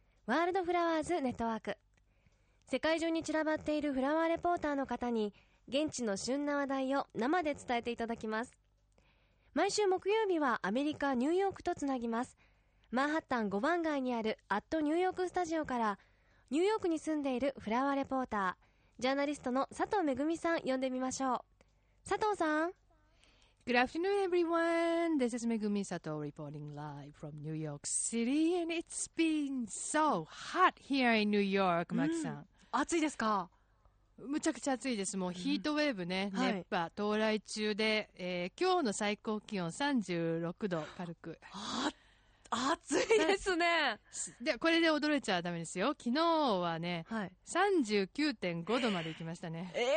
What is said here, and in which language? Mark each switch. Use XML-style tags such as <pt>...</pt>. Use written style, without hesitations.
<ja>ワールドフラワーズネットワーク、世界中に散らばっているフラワーレポーターの方に現地の旬な話題を生で伝えていただきます。毎週木曜日はアメリカニューヨークとつなぎます。マンハッタン5番街にあるアットニューヨークスタジオから、ニューヨークに住んでいるフラワーレポータージャーナリストの佐藤めぐみさん呼んでみましょう。佐藤さん。</ja> <en>Good afternoon everyone. This is Megumi Sato reporting live from New York City and it's been so hot here in New York.</en> <ja>牧さん、暑いですか？むちゃくちゃ暑いです。もうヒートウェーブね、うん、熱波到来中で、はい、今日の最高気温36度、軽く暑いですね。で、これで驚いちゃダメですよ。昨日はね、はい、39.5 度まで行きましたね。</ja>